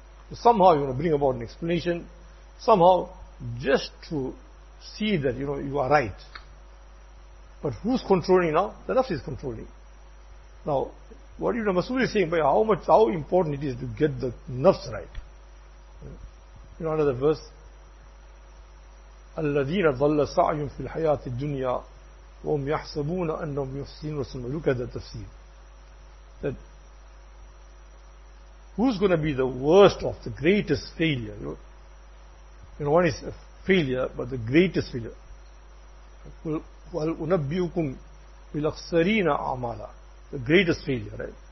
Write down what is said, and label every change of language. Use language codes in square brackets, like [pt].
[en] So somehow you're going to bring about an explanation, somehow just to see that, you know, you are right. But who's controlling now? The nafs is controlling. Now, what Ibn Mas'ud is saying, by how important it is to get the nafs right. You know, another verse, [ar] الَّذِينَ ظَلَّ سَعْيُمْ فِي الْحَيَاةِ الدُّنْيَا وَهُمْ يَحْسَبُونَ أَنَّهُمْ يُحْسِنُونَ سُمَّ [en] Look at the tafsir. That, who's going to be the worst of the greatest failure? You know, one is a failure, but the greatest failure. [ar] وَالْأُنَبِّيُكُمْ بِالْأَخْسَرِينَ أَعْمَالًا [en] The greatest failure, right?